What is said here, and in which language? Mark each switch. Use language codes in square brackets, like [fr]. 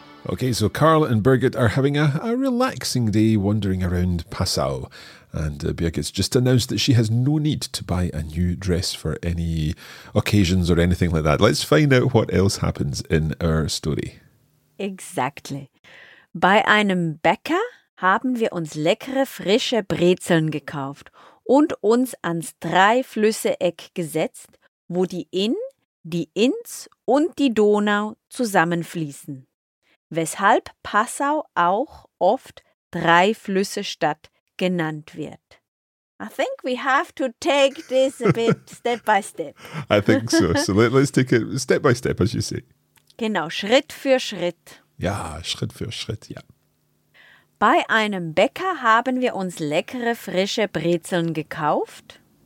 [en] Okay, so Carl and Birgit are having a relaxing day wandering around Passau, and Birgit's just announced that she has no need to buy a new dress for any occasions or anything like that. Let's find out what else happens in our story. Exactly. [de] Bei einem Bäcker haben wir uns leckere frische Brezeln gekauft und uns ans Dreiflüsse-Eck gesetzt, wo die Inn, die Inns und die Donau zusammenfließen. Weshalb Passau auch oft Drei-Flüsse-Stadt genannt wird. [en] I think we have to take this a bit step by step. I think so. So let's take it step by step, as you say. [de] Genau, Schritt für Schritt. Ja, Schritt für Schritt, ja. Bei einem Bäcker haben wir uns leckere frische Brezeln gekauft.